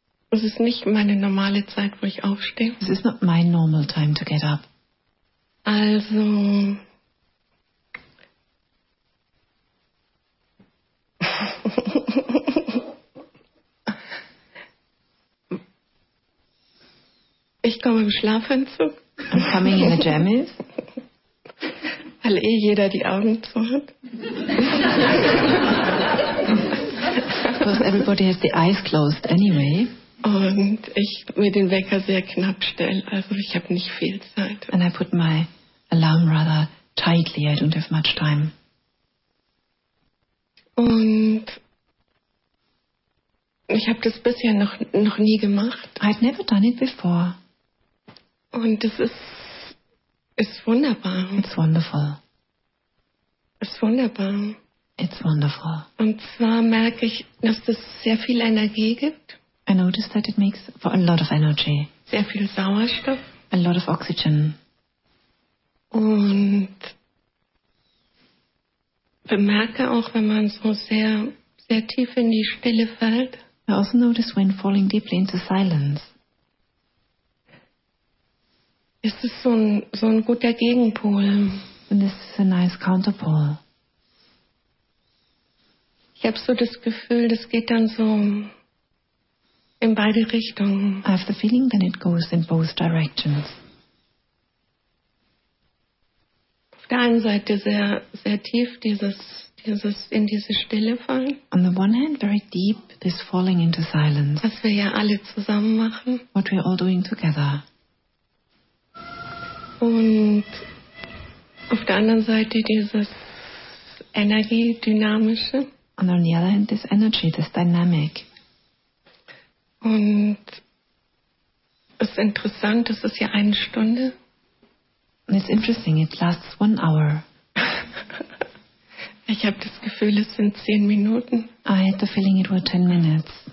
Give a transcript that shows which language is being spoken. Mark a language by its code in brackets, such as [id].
[de] Es ist nicht meine normale Zeit, wo ich aufstehe. [en] This is not my normal time to get up. [de] Also, ich komme im Schlafanzug. [en] I'm coming in the jammies. [de] Weil eh jeder die Augen zu hat. [en] Because everybody has the eyes closed anyway. [de] Und ich mir den Wecker sehr knapp stelle, also ich habe nicht viel Zeit. [en] And I put my alarm rather tightly, I don't have much time. [de] Und ich habe das bisher noch nie gemacht. [en] I've never done it before. [de] Und es ist wunderbar. [en] It's wonderful. [de] Es ist wunderbar. [en] It's wonderful. [de] Und zwar merke ich, dass das sehr viel Energie gibt. [en] I noticed that it makes for a lot of energy. [de] Sehr viel Sauerstoff. [en] A lot of oxygen. [de] Und bemerke auch, wenn man so sehr, sehr tief in die Stille fällt. [en] I also notice when falling deeply into silence. [de] Ist es so ein guter Gegenpol. [en] And this is a nice counterpole. [de] Ich habe so das Gefühl, das geht dann so in beide Richtungen. [en] I have the feeling that it goes in both directions. [de] Auf der einen Seite sehr, sehr tief dieses in diese Stille fallen. [en] On the one hand, very deep, this falling into silence. [de] Was wir ja alle zusammen machen. [en] What we are all doing together. [de] Und auf der anderen Seite dieses Energiedynamische. [en] And on the other hand, this energy, this dynamic. [de] Und es ist interessant, es ist ja eine Stunde. [en] And it's interesting, it lasts one hour. [de] Ich habe das Gefühl, es sind 10 Minuten. [en] I had the feeling it were 10 minutes.